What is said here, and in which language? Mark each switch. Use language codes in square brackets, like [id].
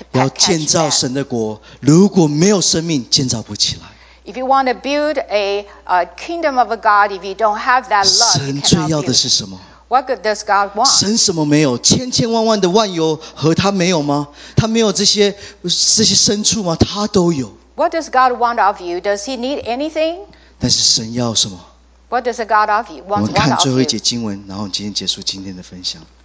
[zh] 要建造神的国，如果没有生命，建造不起来。 [en] If you want to build a kingdom of a God, if you don't have that love, [zh] 神最要的是什么？ [en] What good does God want? [zh] 神什么没有？千千万万的万有和他没有吗？他没有这些牲畜吗？他都有。 [en] What does God want of you? Does he need anything? [zh] 但是神要什么？ [en] What does a God of you want? [zh] 我们看最后一节经文，然后今天结束今天的分享。